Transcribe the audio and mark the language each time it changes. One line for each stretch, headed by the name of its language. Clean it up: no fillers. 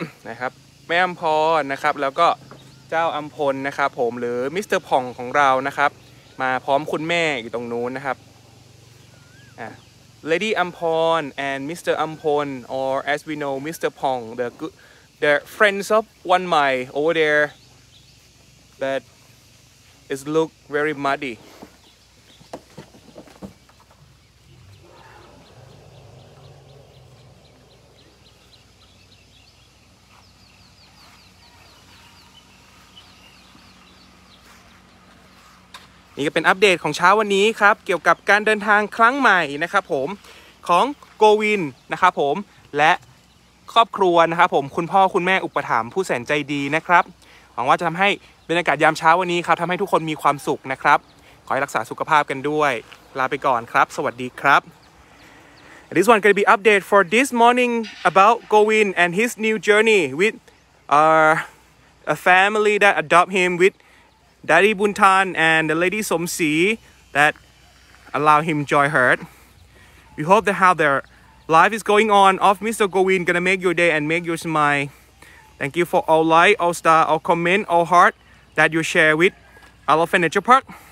Thai: นะครับแม่อัมพรนะครับแล้วก็เจ้าอัมพลนะครับผมหรือมิสเตอร์พองของเรานะครับมาพร้อมคุณแม่อยู่ตรงนู้นนะครับ
English: Lady Ampon and Mr. Ampon or as we know Mr. Pong the friends of Wan Mai over there that is look very muddy.
Thai: นี่ก็เป็นอัปเดตของเช้าวันนี้ครับเกี่ยวกับการเดินทางครั้งใหม่นะครับผมของโกวินนะครับผมและ ครอบครัวนะครับผมคุณพ่อคุณแม่อุปถัมภ์ผู้แสนใจดีนะครับหวังว่าจะทำให้บรรยากาศยามเช้าวันนี้ครับทำให้ทุกคนมีความสุขนะครับขอให้รักษาสุขภาพกันด้วยลาไปก่อนครับสวัสดีครับ
English: This one gonna be update for this morning about Gowin and his new journey with a family that adopt him withDaddy Buntan and the lady Somsi that allow him joy herd. We hope that how their life is going on of Mr. Gowin gonna make your day and make your smile. Thank you for all like, all star, all comment, all heart that you share with Elephant Nature Park.